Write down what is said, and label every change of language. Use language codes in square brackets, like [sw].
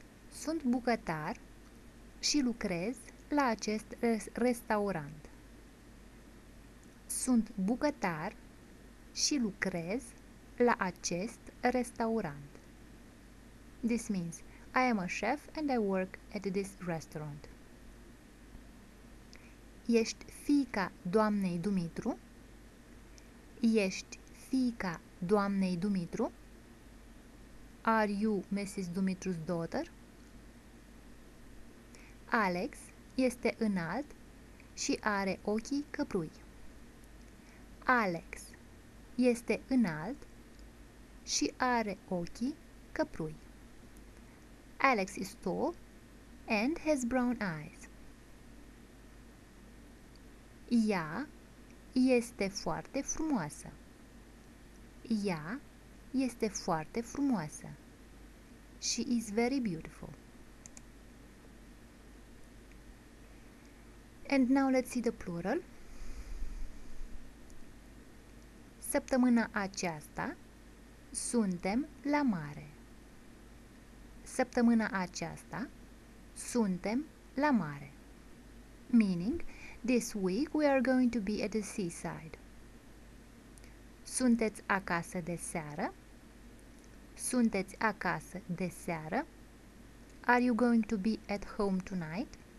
[ro] Sunt bucătar și lucrez la acest restaurant. Sunt bucătar și lucrez la acest restaurant. [en] This means I am a chef and I work at this restaurant. [ro] Ești fiica doamnei Dumitru? Ești fiica doamnei Dumitru? [en] Are you Mrs. Dumitru's daughter? [ro] Alex este înalt și are ochii căprui. Alex este înalt și are ochii căprui. [en] Alex is tall and has brown eyes. [ro] Ea este foarte frumoasă. Ea este foarte frumoasă. [en] She is very beautiful. And now let's see the plural. [ro] Săptămâna aceasta suntem la mare. Săptămâna aceasta suntem la mare. [en] Meaning, this week we are going to be at the seaside. [ro] Sunteți acasă de seară? Sunteți acasă de seară? [en] Are you going to be at home tonight?